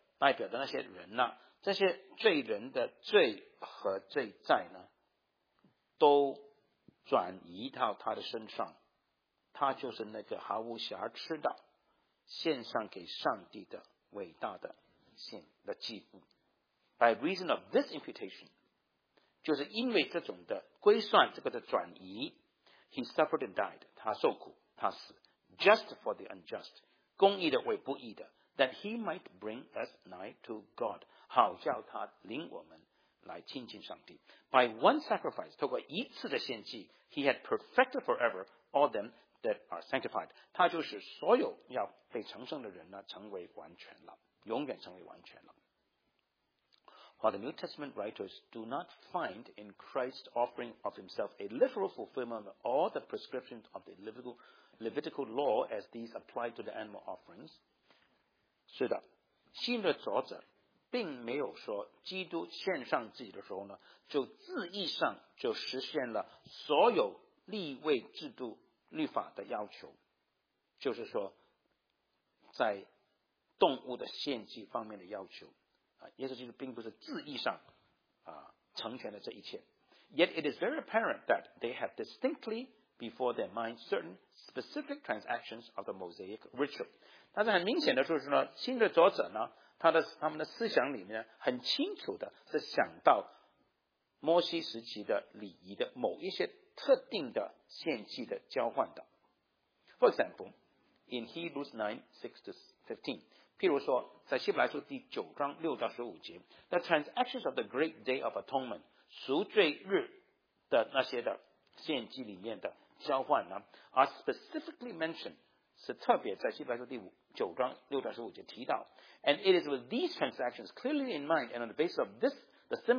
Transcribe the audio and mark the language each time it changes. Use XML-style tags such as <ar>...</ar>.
<zh>代表的那些人呢？这些罪人的罪和罪债呢，都转移到他的身上。他就是那个毫无瑕疵的献上给上帝的伟大的献的祭物。</zh> <en>By reason of this imputation,</en> <zh>就是因为这种的归算这个的转移</zh> <en>，He suffered and died.</en> <zh>他受苦。他死</zh> <en>just for the unjust,</en> <zh>公义的为不义的</zh> <en>that he might bring us nigh to God,</en> <zh>好叫他领我们来亲近上帝。</zh> <en>By one sacrifice,</en> <zh>透过一次的献祭</zh> <en>he had perfected forever all them that are sanctified.</en> <zh>他就是所有要被成圣的人呢成为完全了，永远成为完全了。</zh> <en>While the New Testament writers do not find in Christ's offering of himself a literal fulfillment of all the prescriptions of the Levitical law as these apply to the animal offerings.</en> <zh>是的，新的作者并没有说基督献上自己的时候呢，就字义上就实现了所有立位制度律法的要求。就是说，在动物的献祭方面的要求。耶稣基督并不是字义上成全了这一切。</zh> <en>Yet it is very apparent that they have distinctly before their mind certain specific transactions of the Mosaic ritual.</en> <zh>但是很明显的就是呢，新的作者呢，他们的思想里面很清楚的是想到摩西时期的礼仪的某一些特定的献祭的交换的。</zh> <en>For example, in Hebrews 9:6-15.</en> <zh>譬如说在希伯来书第九章六到十五节</zh> <en>The transactions of the great day of atonement</en> <zh>赎罪日的那些的献祭里面的交换呢</zh> <en>are specifically mentioned</en> <zh>是特别在希伯来书第九章六到十五节提到</zh> <en>And it is with these transactions clearly in mind and on the basis of this the</en>